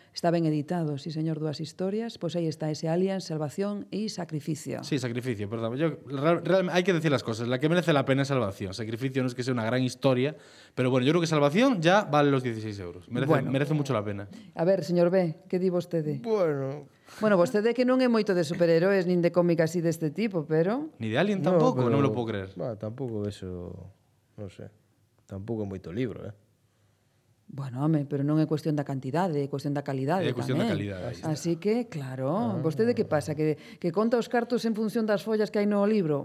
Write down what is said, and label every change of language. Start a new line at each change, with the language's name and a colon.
Spanish: Está bien editado, sí, señor, dos historias. Pues ahí está ese Alien, Salvación y Sacrificio. Sí, Sacrificio, perdón. Hay que decir las cosas. La que merece la pena es Salvación. Sacrificio no es que sea una gran historia, pero bueno, yo creo que Salvación ya vale los 16 euros. Merece mucho la pena. A ver, señor B, ¿qué digo usted? Bueno.
Galician: Bueno, vostede que non é moito de superhéroes nin de cómic así deste tipo, pero... Ni de Alien tampouco, non
Spanish: me lo puedo creer.
Galician: Bah, tampouco eso... Non sé. Tampouco é moito libro, Bueno, home, pero non é cuestión da cantidade, é cuestión da calidade. É cuestión tamén. Da calidade. Así que, claro, vostede que pasa? Que conta os cartos en función das follas que hai no libro?